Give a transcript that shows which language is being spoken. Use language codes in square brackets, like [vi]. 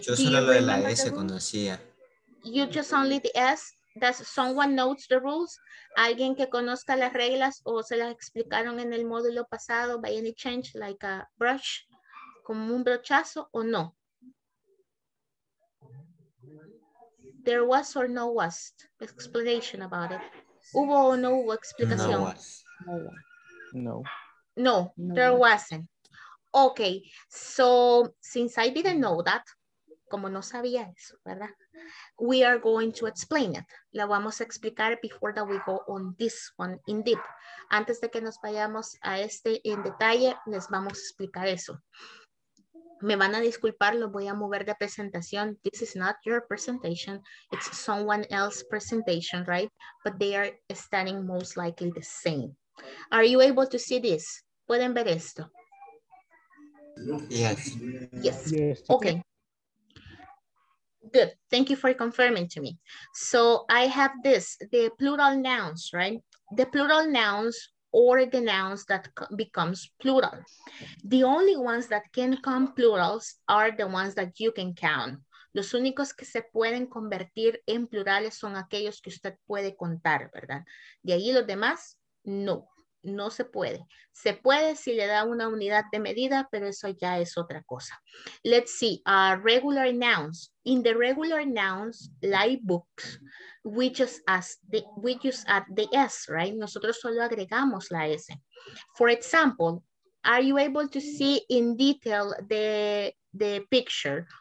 [es] Yo solo lo de la S conocía. [en] You just only the S? Does someone knows the rules? [es] ¿Alguien que conozca las reglas o se las explicaron en el módulo pasado [en] by any change, like a brush, [es] como un brochazo o no? [en] There was or no was explanation about it. [es] ¿Hubo o no hubo explicación? [en] No was. No. No, there wasn't. Okay, so since I didn't know that, [es] como no sabía eso, ¿verdad? [en] We are going to explain it. [es] La vamos a explicar [en] before that we go on this one in deep. [es] Antes de que nos vayamos a este en detalle, les vamos a explicar eso. Me van a disculpar, lo voy a mover de presentación. [en] This is not your presentation. It's someone else's presentation, right? But they are standing most likely the same. Are you able to see this? [es] ¿Pueden ver esto? [en] Yes. Yes. Okay. Good. Thank you for confirming to me. So I have this, the plural nouns, right? The plural nouns or the nouns that becomes plural. The only ones that can come plurals are the ones that you can count. [es] Los únicos que se pueden convertir en plurales son aquellos que usted puede contar, ¿verdad? De ahí los demás, no, no se puede. Se puede si le da una unidad de medida, pero eso ya es otra cosa. [en] Let's see, regular nouns. In the regular nouns, like books, we just add the S, right? [es] Nosotros solo agregamos la S. [en] For example, are you able to see in detail the picture?